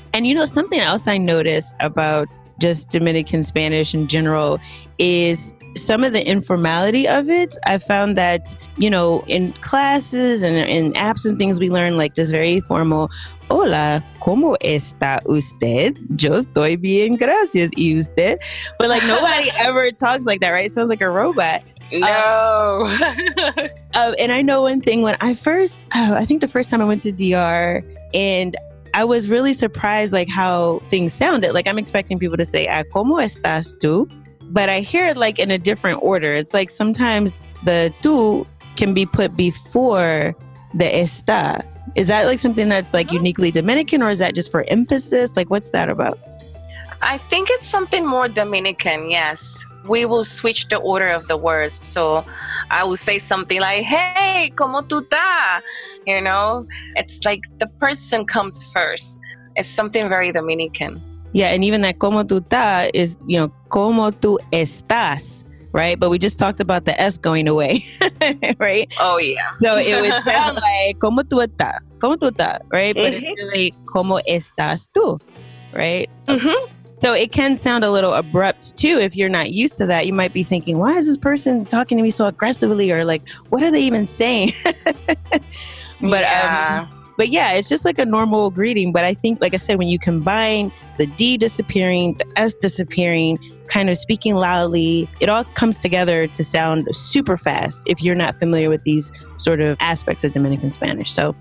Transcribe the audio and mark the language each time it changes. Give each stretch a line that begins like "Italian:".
English: And you know, something else I noticed about just Dominican Spanish in general is some of the informality of it. I found that, you know, in classes and in apps and things we learn, like this very formal,
Spanish: hola, ¿cómo está usted? Yo estoy bien, gracias, ¿y usted?
English: But like nobody ever talks like that, right? It sounds like a robot. No. And I know one thing, when I first, I think the first time I went to DR, and I was really surprised like how things sounded. Like I'm expecting people to say,
Spanish: ¿cómo estás tú?
English: But I hear it like in a different order. It's like sometimes the tú can be put before the está. Is that like something that's like uniquely Dominican, or is that just for emphasis? Like, what's that about? I think it's something more Dominican, yes. We will switch the order of the words. So I will say something like, hey,
Spanish: ¿cómo tú estás?
English: You know, it's like the person comes first. It's something very Dominican. Yeah, and even that
Spanish: ¿cómo tú estás?
English: Is, you know, ¿cómo tú estás? Right? But we just talked about the S going away, right? Oh, yeah. So it would sound like,
Spanish: ¿cómo tú estás? ¿Cómo tú estás?
English: Right? Mm-hmm. But it's really,
Spanish: ¿cómo estás tú?
English: Right? Mm-hmm. So it can sound a little abrupt, too, if you're not used to that. You might be thinking, why is this person talking to me so aggressively? Or like, what are they even saying? But yeah. But yeah, it's just like a normal greeting. But I think, like I said, when you combine the D disappearing, the S disappearing, kind of speaking loudly, it all comes together to sound super fast if you're not familiar with these sort of aspects of Dominican Spanish.